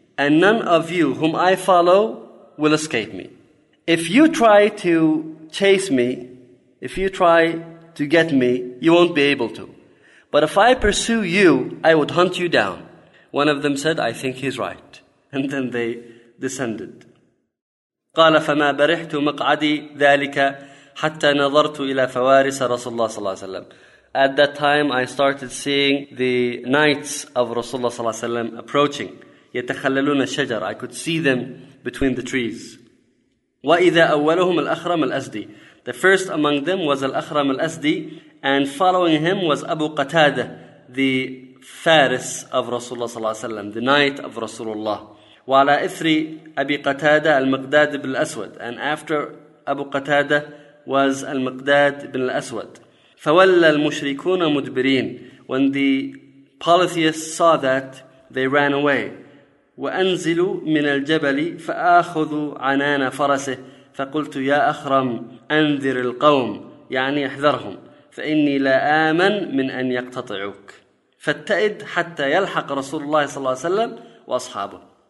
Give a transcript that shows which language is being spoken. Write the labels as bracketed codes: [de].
[en] And none of you whom I follow will escape me. If you try to chase me, if you try to get me, you won't be able to. But if I pursue you, I would hunt you down. One of them said, I think he's right. And then they descended. [ar] قال فما برحت مقعدي ذلك حتى نظرت إلى فوارس رسول الله صلى الله عليه وسلم. [en] At that time, I started seeing the knights of Rasulullah صلى الله عليه وسلم approaching. [ar] يتخللون الشجر. [en] I could see them between the trees. [ar] وإذا أولهم الأخرم الأسدي. [en] The first among them was Al-Akhram Al-Asdi, and following him was Abu Qatada, the Faris of Rasulullah صلى الله عليه وسلم, the knight of Rasulullah. [ar] وعلى إثري أبي قتادة المقداد بن الأسود. [en] And after Abu Qatada was Al-Miqdad ibn Al-Aswad. [ar] فَوَلَّ الْمُشْرِكُونَ مُدْبِرِينَ. [en] When the polytheists saw that, they ran away. [ar] وَأَنْزِلُوا مِنَ الْجَبَلِ فَآخُذُوا عَنَانَ فَرَسِهِ فَقُلْتُ يَا أَخْرَمْ أَنْذِرِ الْقَوْمِ يعني احذرهم فَإِنِّي لَا آمَنْ مِنْ أَنْ يَقْتَطِعُكَ فَاتَّئِدْ حَتَّى يَلْحَقْ رَسُولُ اللَّهِ صَلَّى اللَّهِ وَسَلَّمْ وَأَصْحَابُهُ.